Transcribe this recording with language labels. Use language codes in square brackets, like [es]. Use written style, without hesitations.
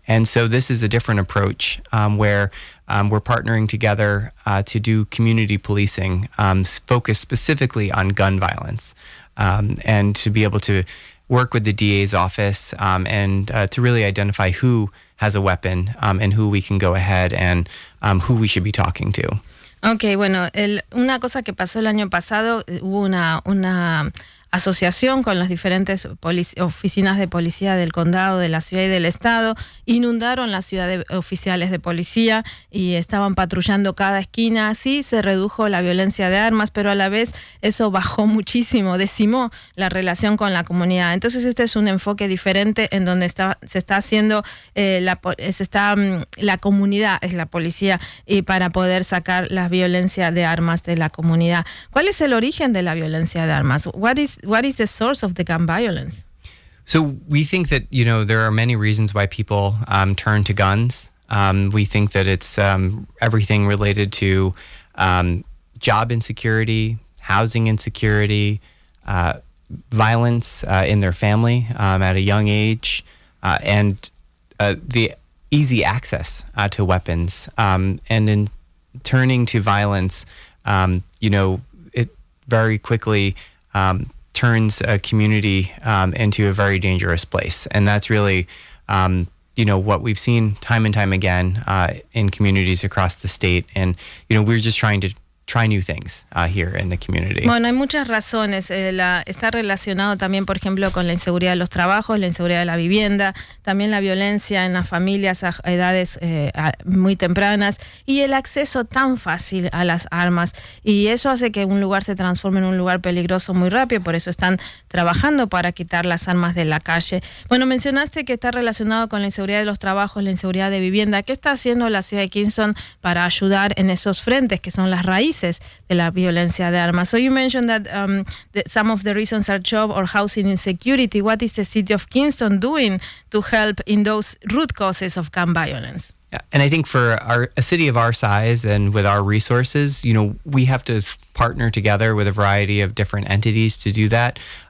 [en] And so this is a different approach where we're partnering together to do community policing focused specifically on gun violence and to be able to work with the DA's office and to really identify who has a weapon and who we can go ahead and who we should be talking to. [es] Okay, bueno, una cosa que pasó el año pasado, hubo una asociación con las diferentes oficinas de policía del condado, de la ciudad y del estado, inundaron la ciudad de oficiales de policía y estaban patrullando cada esquina. Sí, se redujo la violencia de armas, pero a la vez eso bajó muchísimo, decimó la relación con la comunidad. Entonces, este es un enfoque diferente en donde la comunidad es la policía y para poder sacar la violencia de armas de la comunidad. ¿Cuál es el origen de la violencia de armas? [en] What is the source of the gun violence? So we think that, you know, there are many reasons why people turn to guns. We think that it's everything related to job insecurity, housing insecurity, violence in their family at a young age, and the easy access to weapons. And in turning to violence, it very quickly turns a community into a very dangerous place. And that's really, what we've seen time and time again in communities across the state. And, you know, we're just trying to try new things here in the community. [es] Bueno, hay muchas razones. Está relacionado también, por ejemplo, con la inseguridad de los trabajos, la inseguridad de la vivienda, también la violencia en las familias a edades muy tempranas y el acceso tan fácil a las armas. Y eso hace que un lugar se transforme en un lugar peligroso muy rápido. Por eso están trabajando para quitar las armas de la calle. Bueno, mencionaste que está relacionado con la inseguridad de los trabajos, la inseguridad de vivienda. ¿Qué está haciendo la ciudad de Kingston para ayudar en esos frentes que son las raíces de la violencia de armas? [en] So you mentioned that, that some of the reasons are job or housing insecurity. What is the city of Kingston doing to help in those root causes of gun violence? Yeah, and I think for a city of our size and with our resources, you know, we have to partner together with a variety of different entities to do that.